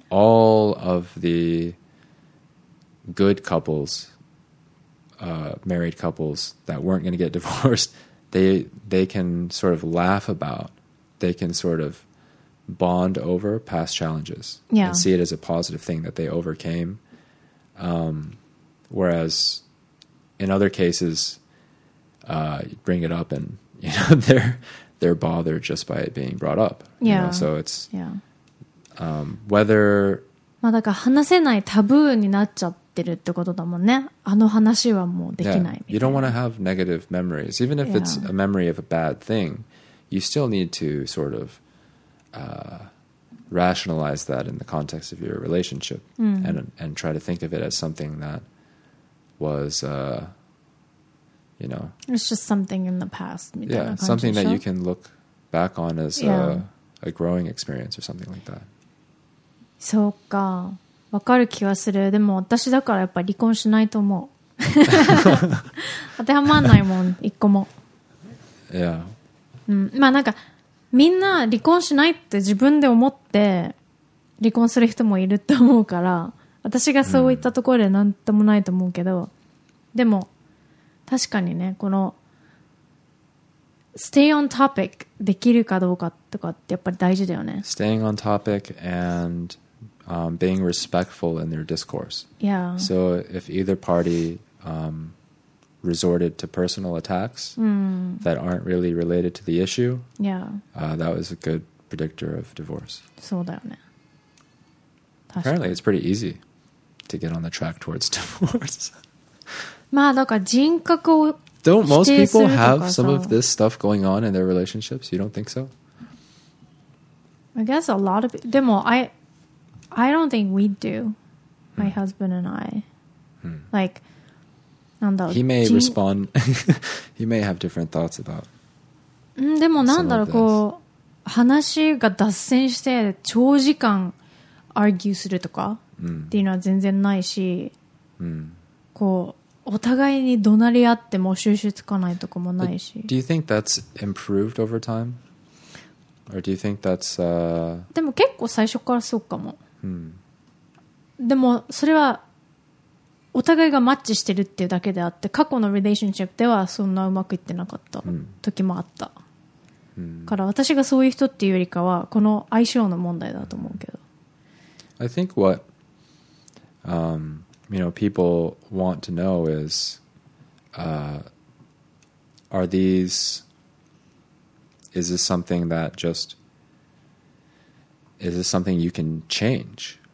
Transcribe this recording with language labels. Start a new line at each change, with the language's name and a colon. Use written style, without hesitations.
English: All of the good couples, married couples that weren't going to get divorced, they can sort of laugh about, they can sort of bond over past challenges and see it as a positive thing that they overcame. Whereas in other cases, you bring it up and, you know, they're bothered just by it being brought up. So it's whether
Japanese: だから話せないタブーになっちゃってるってことだもんね。あの話はもうできない。
English: You don't want to have negative memories, even if it's a memory of a bad thing. You still need to sort of rationalize that in the context of your relationship, and try to think of it as something that was you know, it's just something in the past. Yeah, something that you can look back on as a growing experience or something like that.
Japanese: そうか、わかる気はする。でも私だからやっぱ離婚しないと思う。当てはまんないもん、一個も。
English: Yeah.
Japanese: うん、まあなんかみんな離婚しないって自分で思って離婚する人もいると思うから、私がそういったところでなんともないと思うけど、でも確かにね、この
English: stay on topic
Japanese: できるかどうかとかってやっぱり大事だよね。
English: Staying on topic andbeing respectful in their discourse. Yeah. So if either party resorted to personal attacks that aren't really related to the issue, that was a good predictor of divorce.
Japanese: そうだよね。
English: Apparently, it's pretty easy to get on the track towards divorce.
Japanese: まあだから人格を否定するとかさ。
English: Don't most people have some of this stuff going on in their relationships? You don't think so? I guess a lot of...
Japanese: でも
English: I don't think we do, my husband and I. Like,
Japanese: なんだろう。
English: He may respond. He may have different thoughts about.
Japanese: んでもなんだろう、こう話が脱線して長時間 argue するとかっていうのは全然ないし、こうお互いに怒鳴り合っても収拾つかないとかもないし。
English: But、do you think that's improved over time, or do you think that's?
Japanese: でも結構最初からそうかも。 Hmm. でもそれはお互いがマッチしてるっていうだけであって過去のリレーションシップではそんなうまくいってなかった時もあった、から私がそういう人っていうよりかはこの相性の問題だと思うけど、
English: I think what you know, people want to know is are these is this something that justIs this something you can change?